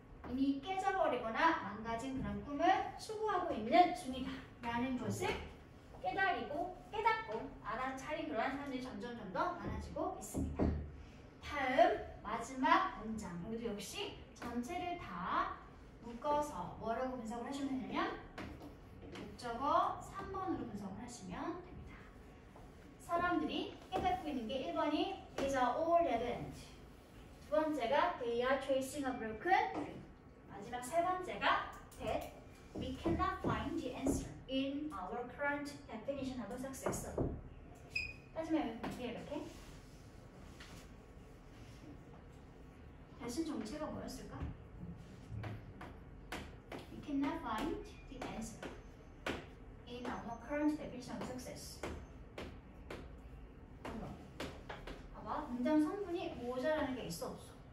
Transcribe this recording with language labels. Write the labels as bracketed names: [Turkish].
[Korean] 이미 깨져버리거나 망가진 그런 꿈을 추구하고 있는 중이다 라는 것을 깨닫고 알아차린 그런 사람들이 점점 더 많아지고 있습니다. 다음 마지막 문장 여기도 역시 전체를 다 묶어서 뭐라고 분석을 하시면 되냐 목적어 3번으로 분석을 하시면 됩니다. 사람들이 깨닫고 있는 게 1번이 [English] These are all dead ends. [Korean] 두 번째가 [English] They are tracing a broken dream. [Korean] 마지막 세 번째가 [English] that we cannot find the answer in our current definition of success. [Korean] 하지만 뒤에 이렇게 dancer 정체가 뭐였을까? [English] We cannot find the answer in our current definition of success. [Korean] 봐봐, 문장 성분이 모자라는 게 있어 없어?